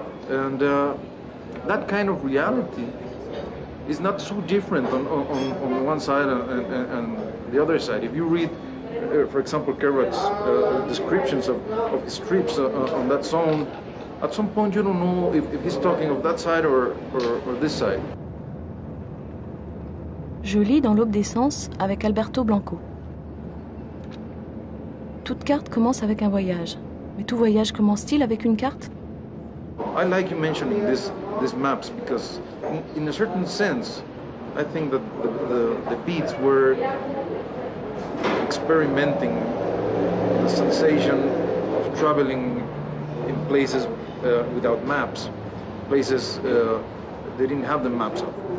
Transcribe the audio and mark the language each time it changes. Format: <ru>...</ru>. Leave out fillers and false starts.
<en>And that kind of reality is not so different on one side and the other side. If you read, for example, Kerouac's descriptions of his trips on that zone, at some point you don't know if he's talking of that side or this side.</en> <fr>Je lis dans l'aube des sens avec Alberto Blanco. Toute carte commence avec un voyage, mais tout voyage commence-t-il avec une carte?</fr> <en>I like you mentioning these maps because, in a certain sense, I think that the beats were experimenting the sensation of traveling in places without maps, places they didn't have the maps of.</en>